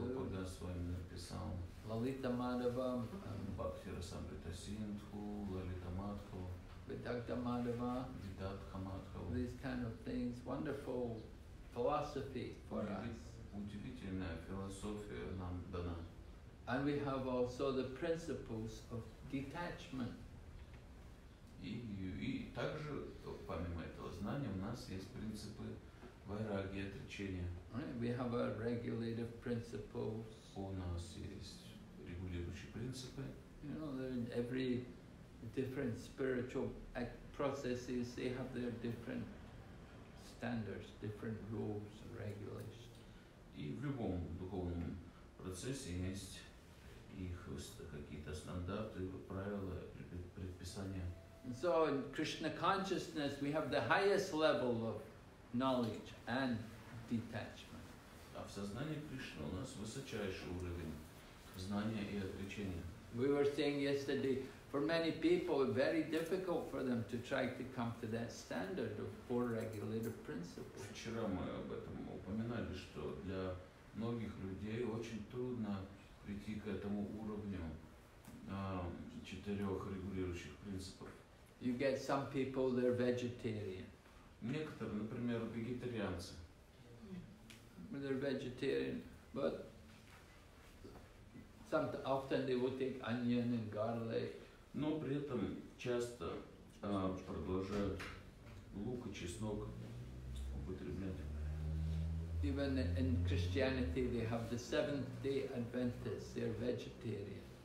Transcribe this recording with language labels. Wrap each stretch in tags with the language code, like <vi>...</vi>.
<ru>Рупа Госвами написал Лалита Мадхавам. Бхакти Расамрита Синдху, Лалита Мадхава. Видакта Мадхава. Видакта Мадхава.</ru> <en>These kind of things. Wonderful philosophy for us.</en> <ru>Удивительная философия нам дана.</ru> <en>And we have also the principles of detachment.</en> <ru>И также, помимо этого знания, у нас есть принципы вайраги, отречения.</ru> <en>Right, we have our regulative principles.</en> <ru>У нас есть регулирующие принципы.</ru> <en>You know, every different spiritual processes, they have their different standards, different rules and regulations.</en> <ru>И в любом духовном процессе есть их какие-то стандарты, правила, предписания.</ru> <en>So in Krishna consciousness, we have the highest level of knowledge and detachment.</en> <ru>А в сознании Кришны у нас высочайший уровень знания и отречения.</ru> <en>We were saying yesterday, for many people, it's very difficult for them to try to come to that standard of four regulative principles.</en> <ru>Вчера мы об этом упоминали, что для многих людей очень трудно прийти к этому уровню четырех регулирующих принципов.</ru> <en>You get some people, they're vegetarian.</en> <ru>Некоторые, например, вегетарианцы.</ru> <en>They're vegetarian, but often they will take onion and garlic.</en> <ru>Но при этом часто продолжают лук и чеснок употреблять.</ru> <en>Even in Christianity, they have the Seventh-day Adventists, they're vegetarian.</en>